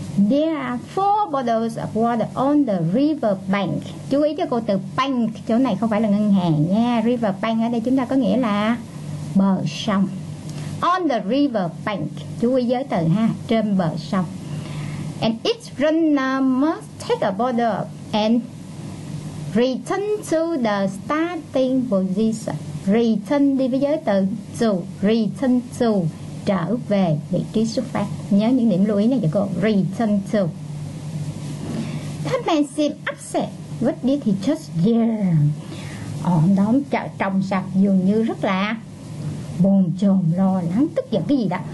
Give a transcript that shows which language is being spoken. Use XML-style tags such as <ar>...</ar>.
<en>There are 4 bottles of water on the river bank.</en> <vi>Chú ý cho cô từ bank, chỗ này không phải là ngân hàng nha. River bank ở đây chúng ta có nghĩa là bờ sông.</vi> <en>On the river bank,</en> <vi>chú ý giới từ ha, trên bờ sông.</vi> <en>And each runner must take a bottle and return to the starting position.</en> <vi>Return đi với giới từ to. Return to, trở về vị trí xuất phát. Nhớ những điểm lưu ý này cho cô.</vi> <en>Return to. That man seemed upset. What did he just yell?</en> <vi>Ông đó trồng sạp dường như rất là bồn chồn, lo lắng, tức giận cái gì đó.</vi>